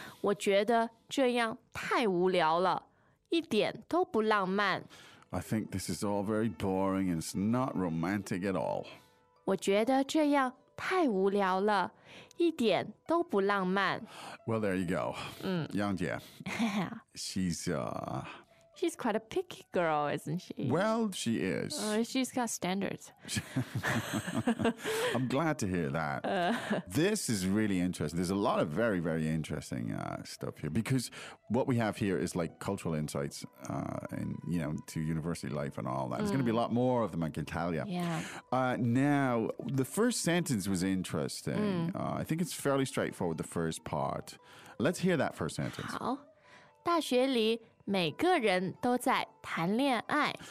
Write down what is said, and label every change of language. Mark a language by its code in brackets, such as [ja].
[zh] 我觉得这样太无聊了，一点都不浪漫。 [en] I think this is all very boring and it's not romantic at all. [zh] 我觉得这样太无聊了，一点都不浪漫。 [en] Well, there you go. Yang Jie. Yeah. She's She's quite a picky girl, isn't she? Well, she is. She's got standards. I'm glad to hear that. This is really interesting. There's a lot of very, very interesting stuff here, because what we have here is like cultural insights and, you know, to university life and all that. There's going to be a lot more of them, I can tell you. Yeah. Now, the first sentence was interesting. I think it's fairly straightforward, the first part. Let's hear that first sentence. [zh] 好。大学里每个人都在谈恋爱。